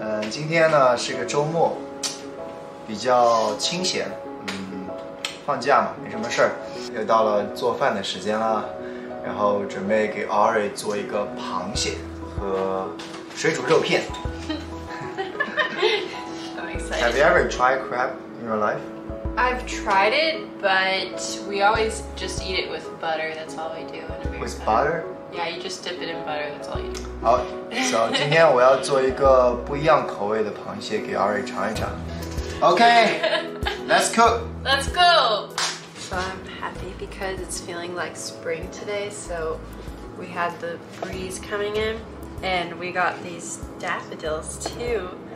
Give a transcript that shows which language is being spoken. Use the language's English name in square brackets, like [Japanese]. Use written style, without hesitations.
[Chinese] 今天呢是个周末，比较清闲。放假嘛，没什么事儿。又到了做饭的时间了，然后准备给 Ari 做一个螃蟹和水煮肉片。 [English] Have you ever tried crab in your life? I've tried it, but we always just eat it with butter. That's all we do in America. With butter? Yeah, you just dip it in butter. That's all you do. [Chinese] 好，所以今天我要做一个不一样口味的螃蟹给 Ari 尝一尝。 [English] Okay, let's cook. Let's go. So I'm happy because it's feeling like spring today. So we had the breeze coming in, and we got these daffodils too.